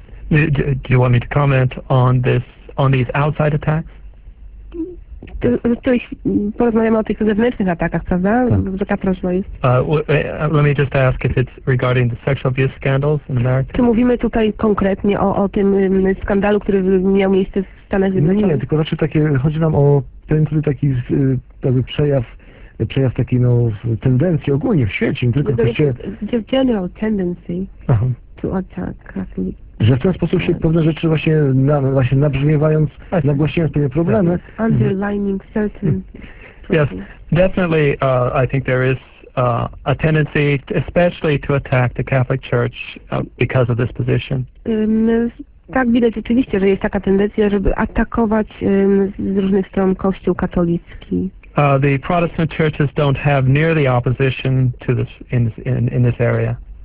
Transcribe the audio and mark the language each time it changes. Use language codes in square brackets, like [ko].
[en] Do you want me to comment on this, on these outside attacks? [pl] To porozmawiamy o tych zewnętrznych atakach, prawda? Taka prośba jest. [en] Let me just ask if it's regarding the sexual abuse scandals in America. [pl] Czy mówimy tutaj konkretnie o tym skandalu, który miał miejsce w Stanach Zjednoczonych? Nie, tylko raczej takie, chodzi nam o ten taki jakby przejaw takiej no, tendencji ogólnie w świecie, nie tylko w kościele. [en] The general tendency to attack Catholic. [pl] Że w ten sposób się pewne rzeczy właśnie nabrzmiewając, nagłaśniając pewne problemy. [en] Underlining certain. Yes, definitely I think there is a tendency especially to attack the Catholic Church because of this position. [pl] Tak, widać rzeczywiście, że jest taka tendencja, żeby atakować z różnych stron Kościół katolicki. [en] The Protestant churches don't have near the opposition to this in this area.